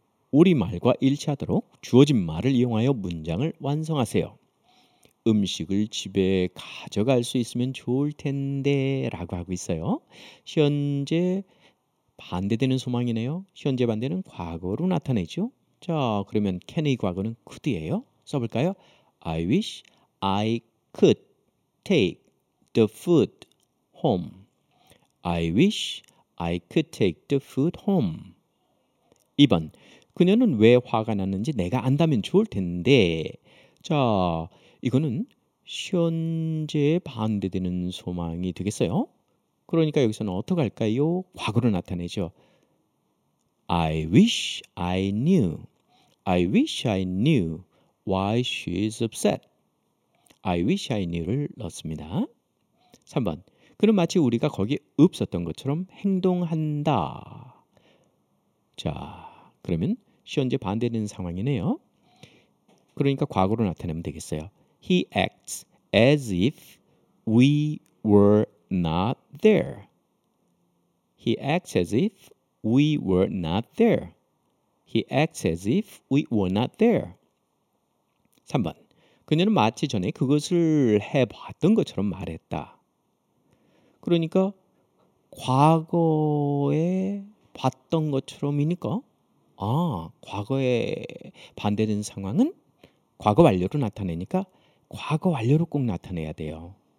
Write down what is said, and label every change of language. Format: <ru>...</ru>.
<ko>우리말과 일치하도록 주어진 말을 이용하여 문장을 완성하세요. 음식을 집에 가져갈 수 있으면 좋을 텐데 라고 하고 있어요. 현재 반대되는 소망이네요. 현재 반대는 과거로 나타내죠. 자, 그러면 can의 과거는 could이에요. 써볼까요?</ko> <en>I wish I could take the food home. I wish I could take the food home.</en> <ko>2번. 그녀는 왜 화가 났는지 내가 안다면 좋을 텐데. 자, 이거는 현재에 반대되는 소망이 되겠어요. 그러니까 여기서는 어떡할까요? 과거로 나타내죠.</ko> <en>I wish I knew. I wish I knew why she's upset. I wish I knew</en> <ko>를 넣습니다. 3번. 그는 마치 우리가 거기 없었던 것처럼 행동한다. 자, 그러면 현재 반대되는 상황이네요. 그러니까 과거로 나타내면 되겠어요.</ko> <en>He acts as if we were not there. He acts as if we were not there. He acts as if we were not there.</en> <ko>3번. 그녀는 마치 전에 그것을 해봤던 것처럼 말했다. 그러니까 과거에 봤던 것처럼이니까 아, 과거에 반대된 상황은 과거 완료로 나타내니까 과거 완료로 꼭 나타내야 돼요.</ko>